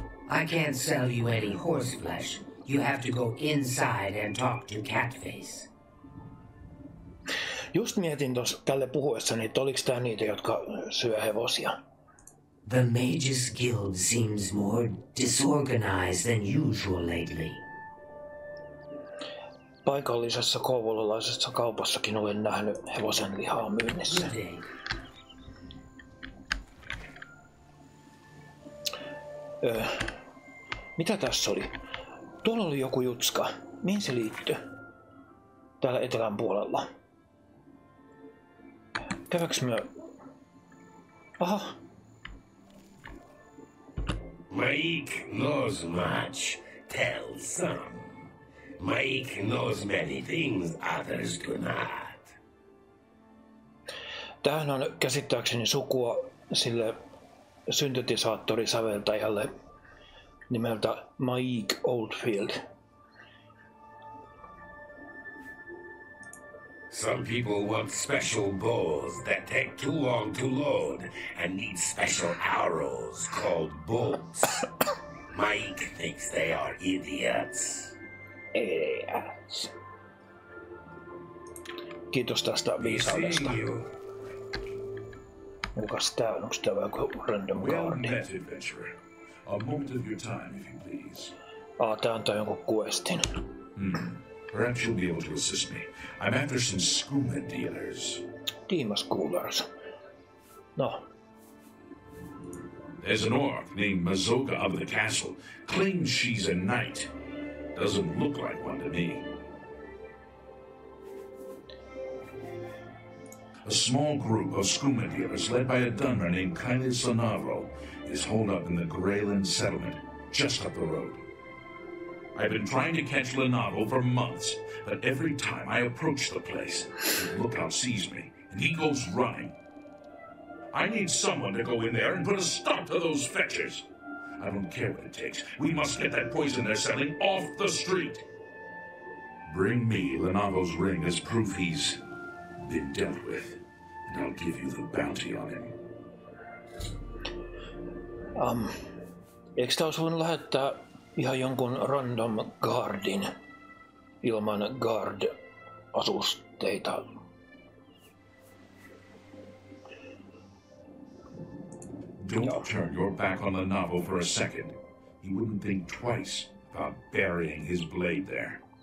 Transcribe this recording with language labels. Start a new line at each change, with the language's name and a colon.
English: I can't sell you any horse flesh. You have to go inside and talk to Catface.
Finnish: Just mietin tuossa tälle puhuessani, että oliks tää niitä, jotka syö hevosia.
English: The Mages Guild seems more disorganized than usual lately.
Finnish: Paikallisessa kouvolalaisessa kaupassakin olen nähnyt hevosen lihaa myynnissä. Mitä tässä oli? Tuolla oli joku jutska. Mihin se liittyy? Täällä etelän puolella. Käväks me... Aha!
English: Mike knows much. Tell some. Mike knows many things others do not.
Finnish: Tähän on käsittääkseni sukua sille syntetisaattorisäveltäjälle nimeltä Mike Oldfield.
English: Some people want special bows that take too long to load and need special arrows called bolts. Mike thinks they are idiots. Idiots.
Finnish: Kiitos tästä viisaudesta. Kukas tää on? Onks tää vaikka random guardi?
English: Well met, adventurer. A moment of your time, if you please.
Finnish: Aa, tää antaa jonkun questin.
English: Perhaps you'll be able to assist me. I'm after some skooma dealers. Team of schoolers. No. There's an orc named Mazoka of the castle. Claims she's a knight. Doesn't look like one to me. A small group of skooma dealers led by a dunmer named Kaili Sonavro is holed up in the Greyland settlement, just up the road. I've been trying to catch Lenardo for months, but every time I approach the place, the lookout sees me, and he goes running. I need someone to go in there and put a stop to those fetchers. I don't care what it takes. We must get that poison they're selling off the street. Bring me Lenardo's ring as proof he's been dealt with, and I'll give you the bounty on him.
Finnish: Eikö taas voin lähettää ihan jonkun random guardin ilman guard-asusteita.
English: Don't turn your back on the novel for a second. He wouldn't think twice about burying his blade there.